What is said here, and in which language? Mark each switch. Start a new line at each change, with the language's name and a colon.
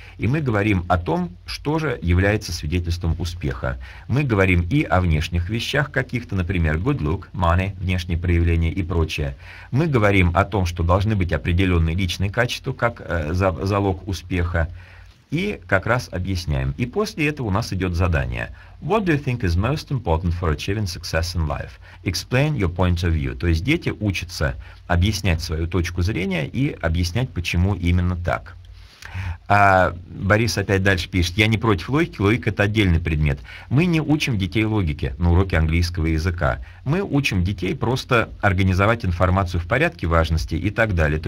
Russian: И мы говорим о том, что же является свидетельством успеха. Мы говорим и о внешних вещах каких-то, например,
English: good look, money,
Russian: внешние проявления и прочее. Мы говорим о том, что должны быть определенные личные качества, как залог успеха. И как раз объясняем. И после этого у нас идет задание.
English: What do you think is most important for achieving success in life? Explain your point of view.
Russian: То есть дети учатся объяснять свою точку зрения и объяснять, почему именно так. А Борис опять дальше пишет, я не против логики, логика это отдельный предмет. Мы не учим детей логике на уроке английского языка. Мы учим детей просто организовать информацию в порядке важности и так далее.